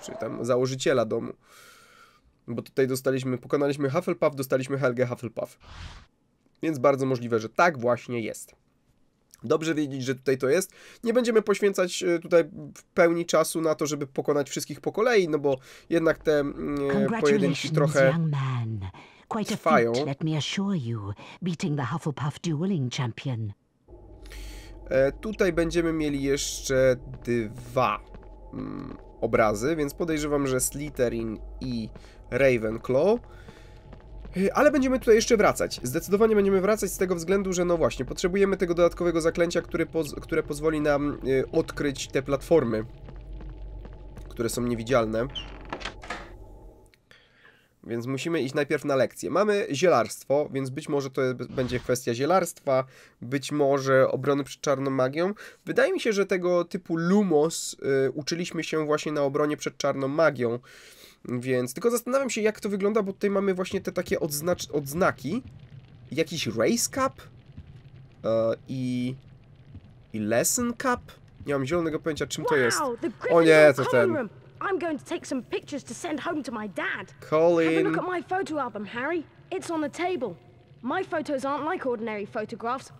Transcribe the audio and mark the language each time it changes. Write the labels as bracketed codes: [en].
[pl] Czy tam założyciela domu. Bo tutaj dostaliśmy, pokonaliśmy Hufflepuff, dostaliśmy Helgę Hufflepuff. Więc bardzo możliwe, że tak właśnie jest. Dobrze wiedzieć, że tutaj to jest. Nie będziemy poświęcać tutaj w pełni czasu na to, żeby pokonać wszystkich po kolei, no bo jednak te pojedynki trochę trwają. [en] Let me assure you, beating the Hufflepuff dueling champion. [pl] Tutaj będziemy mieli jeszcze dwa obrazy, więc podejrzewam, że Slytherin i Ravenclaw. Ale będziemy tutaj jeszcze wracać. Zdecydowanie będziemy wracać z tego względu, że no właśnie, potrzebujemy tego dodatkowego zaklęcia, które pozwoli nam odkryć te platformy, które są niewidzialne. Więc musimy iść najpierw na lekcję. Mamy zielarstwo, więc być może to będzie kwestia zielarstwa, być może obrony przed czarną magią. Wydaje mi się, że tego typu Lumos uczyliśmy się właśnie na obronie przed czarną magią. Więc tylko zastanawiam się, jak to wygląda, bo tutaj mamy właśnie te takie odznaki. Jakiś Race Cup i Lesson Cup. Nie mam zielonego pojęcia, czym to jest. O nie, to ten. [en] I'm going to take some pictures to send home to my dad. Colin. Have a look at my photo album, Harry. It's on the table. My photos aren't like ordinary photographs.